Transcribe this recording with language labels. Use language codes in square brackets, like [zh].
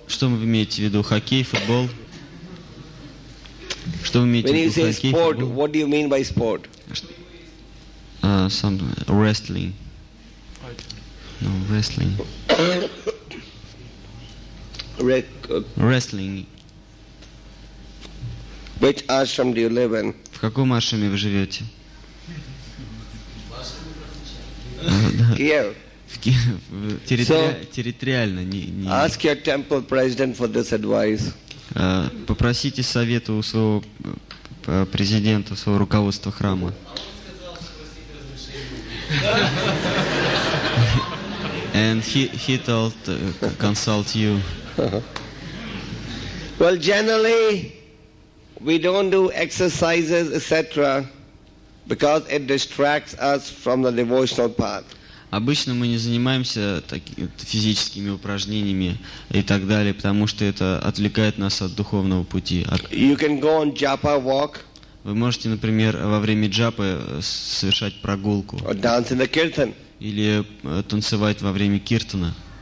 [ru] Что вы имеете в виду, хоккей, футбол? Что вы имеете в виду? [en] When you say sport, what do you mean by sport? Some wrestling. No, wrestling. Wrestling. Which ashram do you live in? [ru] В каком ашраме вы живете? Киев. Территориально. Не. [en] Ask your temple president for this advice. [ru] Попросите совета у своего президента, своего руководства храма. [en] And he told consult you. Well, generally, we don't do exercises, etc., because it distracts us from the devotional path. [ru] Обычно мы не занимаемся физическими упражнениями и так далее, потому что это отвлекает нас от духовного пути. [en] You can go on japa walk. [ru] Вы можете, например, во время джапы совершать прогулку. [en] Or dance in the kirtan. [ru] Или танцевать во время киртана.